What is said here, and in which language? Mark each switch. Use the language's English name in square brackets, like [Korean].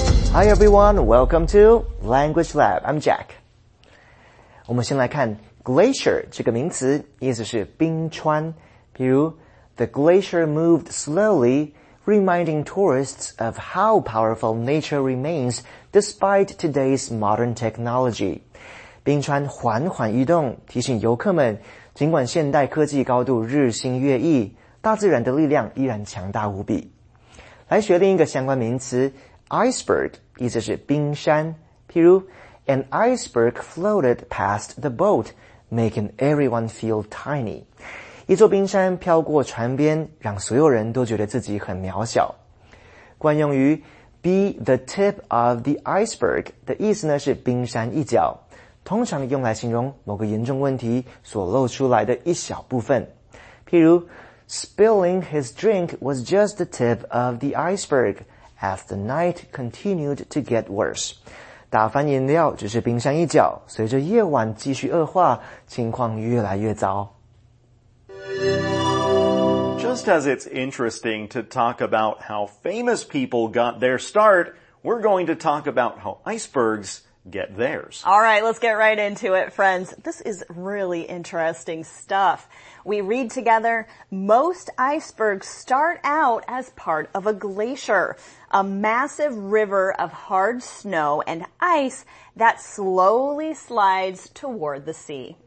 [English] Hi everyone, welcome to Language Lab. I'm Jack. [Chinese] 我们先来看 [English] glacier [Chinese] 这个名词，意思是冰川。比如 [English] ,the glacier moved slowly,reminding tourists of how powerful nature remains despite today's modern technology. [Chinese] 冰川缓缓移动，提醒游客们，尽管现代科技高度日新月异，大自然的力量依然强大无比。来学另一个相关名词 ,iceberg, 意思是冰山。譬如 [English] ,an iceberg floated past the boat, making everyone feel tiny. [Chinese] 一座冰山飘过船边，让所有人都觉得自己很渺小。惯用于 [English] be the tip of the iceberg [Chinese] 的意思呢是冰山一角，通常用来形容某个严重问题所露出来的一小部分。譬如 [English] ,spilling his drink was just the tip of the iceberg as the night continued to get worse. [Chinese] 打翻饮料只是冰山一角，随着夜晚继续恶化，情况越来越糟。 [English] Just as it's interesting to talk about how famous people got their start, we're going to talk about how icebergs get theirs. All right, let's get right into it, friends. This is really interesting stuff. We read together, most icebergs start out as part of a glacier, a massive river of hard snow and ice that slowly slides toward the sea.